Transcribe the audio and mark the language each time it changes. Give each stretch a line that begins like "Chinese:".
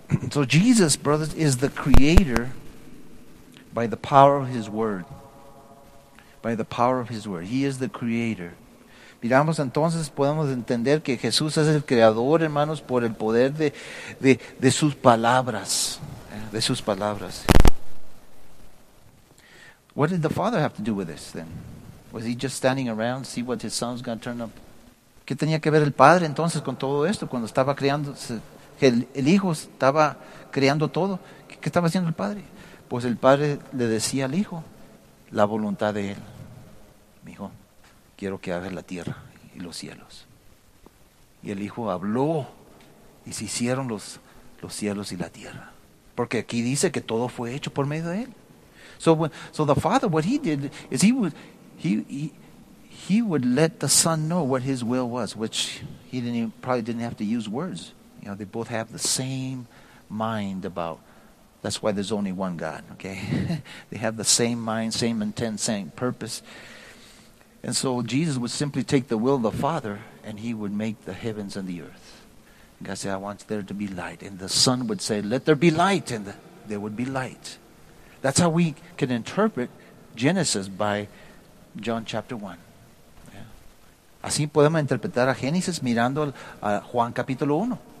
English: So Jesus, brothers, is the creator by the power of his word. By the power of his word. He is the creator.
Spanish: Miramos entonces, podemos entender que Jesús es el creador, hermanos, por el poder de sus palabras. De sus palabras.
English: What did the Father have to do with this then? Was he just standing around to see what his son's going to turn up?
Spanish: ¿Qué tenía que ver el Padre entonces con todo esto? Cuando estaba creando, el Hijo estaba creando todo. ¿Qué estaba haciendo el Padre? Pues el Padre le decía al Hijo la voluntad de él. Mi hijo, quiero que hagas la tierra y los cielos. Y el Hijo habló y se hicieron los cielos y la tierra. Porque aquí dice que todo fue hecho por medio de él.
English: So the Father, what he did is he would let the Son know what his will was, which he probably didn't have to use words. You know, they both have the same mind about. That's why there's only one God, okay? They have the same mind, same intent, same purpose. And so Jesus would simply take the will of the Father and he would make the heavens and the earth. And God said, I want there to be light. And the Son would say, let there be light. And there would be light. That's how we can interpret Genesis by John chapter 1.
Spanish: Así podemos interpretar a Génesis mirando a Juan capítulo 1.